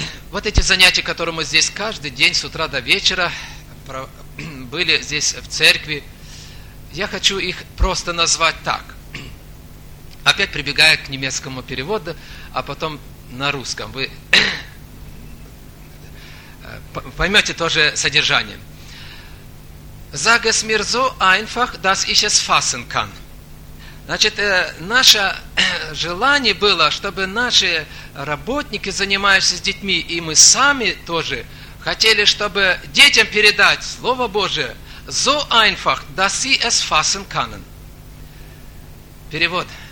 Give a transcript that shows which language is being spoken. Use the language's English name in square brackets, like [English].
[Russian] Вот эти занятия, которые мы здесь каждый день с утра до вечера были здесь в церкви, я хочу их просто назвать так. Опять прибегая к немецкому переводу, а потом на русском. Вы поймете тоже содержание. [German] Sag es mir so einfach, dass ich es fassen kann. [Russian] Значит, наше желание было, чтобы наши работники, занимающиеся с детьми, и мы сами тоже хотели, чтобы детям передать Слово Божие, [German] so einfach, dass sie es fassen können. [Russian] Перевод.